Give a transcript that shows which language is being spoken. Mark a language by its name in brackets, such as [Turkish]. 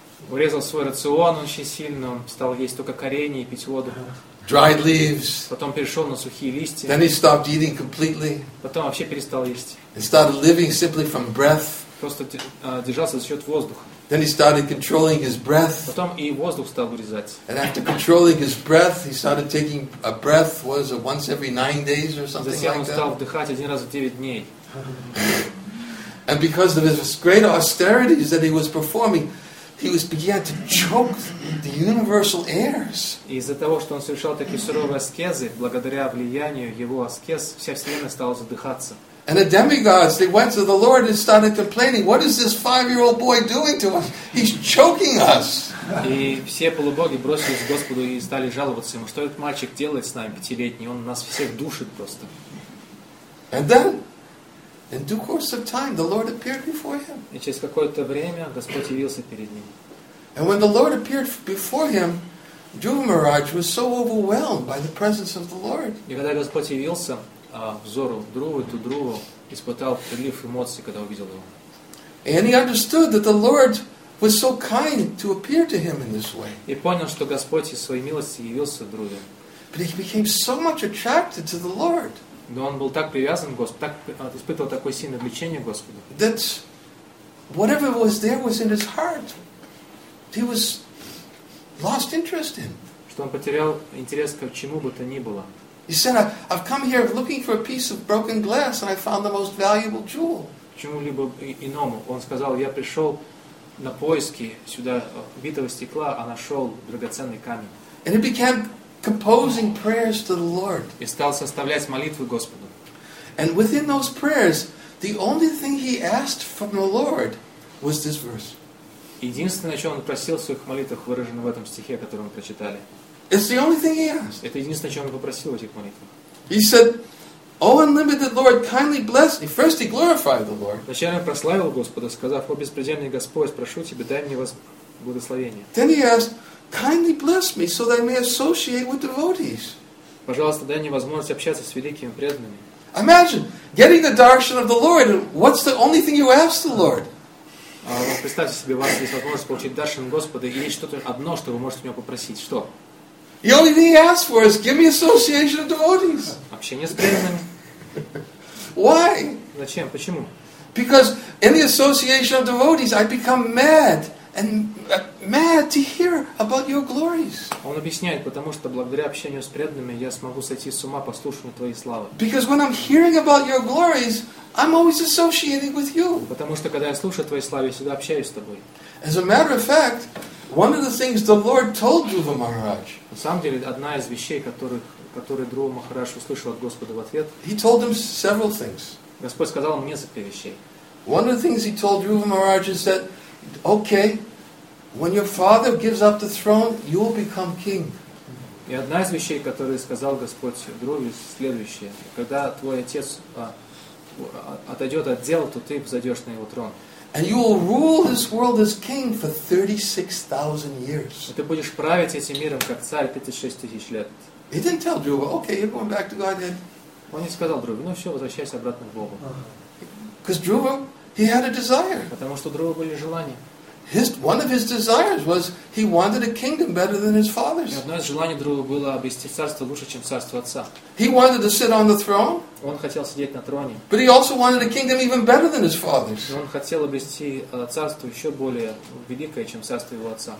[Russian] урезал свой рацион очень сильно. Он стал есть только коренья и пить воду. [English] Dried leaves. [Russian] Потом перешел на сухие листья. [English] Then he stopped eating completely. [Russian] Потом вообще перестал есть. [English] And started living simply from breath. [Russian] Просто держался за счет воздуха. [English] Then he started controlling his breath. [Russian] Потом и воздух стал вырезать. [English] And after controlling his breath, he started taking a breath, what is it, once every 9 days or something like that. [Russian] Затем он стал вдыхать один раз в 9 дней. [English] And because of his great austerities that he was performing, he was began to choke the universal airs. [Russian] Из-за того, что он совершал такие суровые аскезы, благодаря влиянию его аскез, вся вселенная стала задыхаться. [English] And the demigods, they went to the Lord and started complaining, "What is this 5-year-old boy doing to us? He's choking us." [Russian] И все полубоги бросились к Господу и стали жаловаться ему, что этот мальчик делает с нами, 5-летний, он нас всех душит просто. [English] And then, in due course of time, the Lord appeared before him. [Russian] И через какое-то время Господь явился перед ним. [English] And when the Lord appeared before him, Dhruva Maharaj was so overwhelmed by the presence of the Lord. [Russian] И когда Господь явился взору Друвы, то Друва испытал прилив эмоций, когда увидел его. [English] And he understood that the Lord was so kind to appear to him in this way. [Russian] И понял, что Господь из своей милости явился Друве. [English] But he became so much attracted to the Lord. [Russian] Но он был так привязан к Господу, так испытывал такое сильное влечение к Господу. [English] That whatever was there was in his heart. He was lost interest in. [Russian] Что он потерял интерес к чему бы то ни было. [English] He said, "I've come here looking for a piece of broken glass, and I found the most valuable jewel." [Russian] Чему-либо иному. Он сказал, я пришел на поиски сюда битого стекла, а нашел драгоценный камень. [English] And he began composing prayers to the Lord. [Russian] И стал составлять молитвы Господу. [English] And within those prayers, the only thing he asked from the Lord was this verse. [Russian] Единственное, о чем он просил в своих молитвах, выражено в этом стихе, который мы прочитали. [English] It's the only thing he asked. [Russian] Это единственное, о чем он попросил в этих молитвах. [English] He said, "O unlimited Lord, kindly bless me." First he glorified the Lord. [Russian] Вначале он прославил Господа, сказав, "О беспредельный Господь, прошу тебя, дай мне вас благословение." [English] Then he asked, "Kindly bless me so that I may associate with devotees." [Russian] Пожалуйста, дай мне возможность общаться с великими преданными. [English] Imagine getting the darshan of the Lord, and what's the only thing you ask the Lord? [Russian] Представьте себе, у вас есть возможность получить даршан Господа, и есть что-то одно, что вы можете у него попросить. Что? [English] The only thing he asks for is give me association of devotees. [Russian] Общение с преданными. [English] Why? [Russian] Зачем? Почему? [English] Because in the association of devotees, I become mad. And mad to hear about your glories. [Russian] Он объясняет, потому что благодаря общению с преданными я смогу сойти с ума, послушав твои славы. [English] Because when I'm hearing about your glories, I'm always associating with you. [Russian] Потому что когда я слушаю твои славы, я всегда общаюсь с тобой. [English] As a matter of fact, One of the things the Lord told Dhruva Maharaj. [Russian] На самом деле, одна из вещей, которые Друва Махарадж услышал от Господа в ответ. [English] He told him several things. [Russian] Господь сказал ему несколько вещей. [English] One of the things he told Dhruva Maharaj is that, okay, when your father gives up the throne, you will become king. [Russian] И одна из вещей, которую сказал Господь Друве, следующее: когда твой отец отойдет от дел, то ты взойдешь на его трон. [English] And you will rule this world as king for 36,000 years. [Russian] Ты будешь править этим миром как царь 36,000 лет. [English] He didn't tell Dhruva, okay, you're going back to Godhead. [Russian] Он не сказал Друве, ну все, возвращайся обратно к Богу. [English] Because Dhruva, he had a desire. [Russian] Потому что у Друвы были желания. [English] One of his desires was he wanted a kingdom better than his father's. [Russian] Одно из желаний Друвы было обрести царство лучше, чем царство отца. [English] He wanted to sit on the throne. [Russian] Он хотел сидеть на троне. [English] But he also wanted a kingdom even better than his father's. [Russian] Он хотел обрести царство еще более великое, чем царство его отца.